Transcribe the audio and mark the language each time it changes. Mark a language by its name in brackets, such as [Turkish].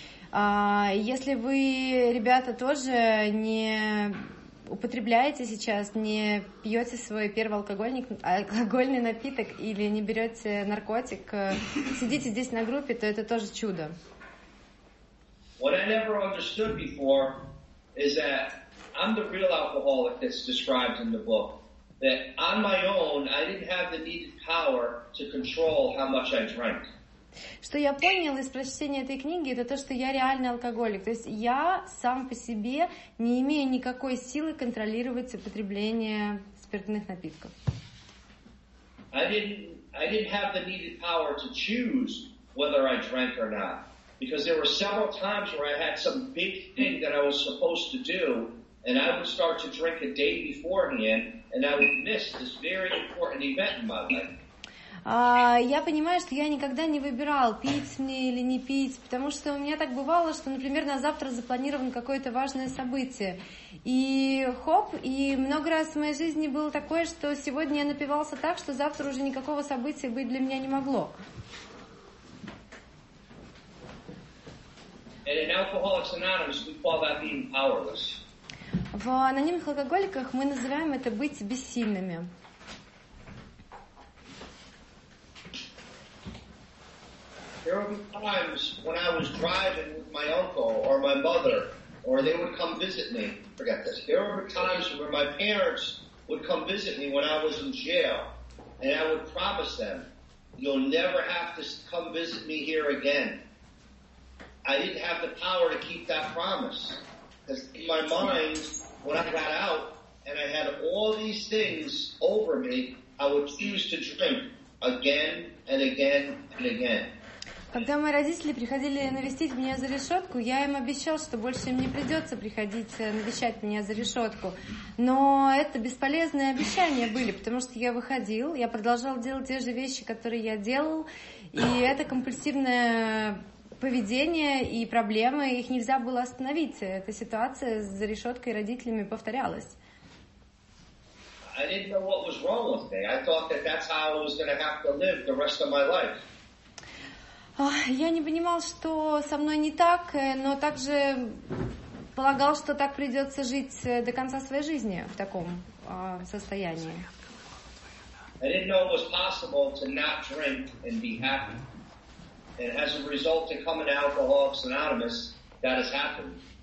[Russian] Если вы, ребята, тоже не употребляете сейчас, не пьете свой первый алкогольный напиток или не берете наркотик, сидите здесь на группе, то это тоже чудо. [English] What I never understood before is that I'm the real alcoholic that's described in the book. That on my own, I didn't have the needed power to control how much I drank. [Russian] Что я понял из прочтения этой книги, это то, что я реальный алкоголик. То есть я сам по себе не имею никакой силы контролировать употребление спиртных напитков. [English] I didn't have the needed power to choose whether I drank or not. Because there were several times where I had some big thing that I was supposed to do, and I would start to drink a day beforehand, and I would miss this very important event in my life. [Russian] Я понимаю, что я никогда не выбирал, пить мне или не пить, потому что у меня так бывало, что, например, на завтра запланировано какое-то важное событие. И хоп, и много раз в моей жизни было такое, что сегодня я напивался так, что завтра уже никакого события быть для меня не могло. [English] And in Alcoholics Anonymous, we call that being powerless. [Russian] В анонимных алкоголиках мы называем это быть бессильными. [English] There would be times when I was driving with my uncle or my mother, or they would come visit me. Forget this. There were times where my parents would come visit me when I was in jail, and I would promise them, you'll never have to come visit me here again. I didn't have the power to keep that promise. Because in my mind, when I got out and I had all these things over me, I would choose to drink again and again and again. [Russian] Когда мои родители приходили навестить меня за решетку, я им обещал, что больше им не придется приходить навещать меня за решетку. Но это бесполезные обещания были, потому что я выходил, я продолжал делать те же вещи, которые я делал, и это компульсивное поведение и проблемы, их нельзя было остановить. Эта ситуация с за решеткой и родителями повторялась. [English] I didn't know what was wrong with me. I thought that that's how I was going to have to live the rest of my life. [Russian] Я не понимал, что со мной не так, но также полагал, что так придется жить до конца своей жизни в таком состоянии. [English] I didn't know it was possible to not drink and be happy. And as a result of coming to Alcoholics Anonymous, that has happened.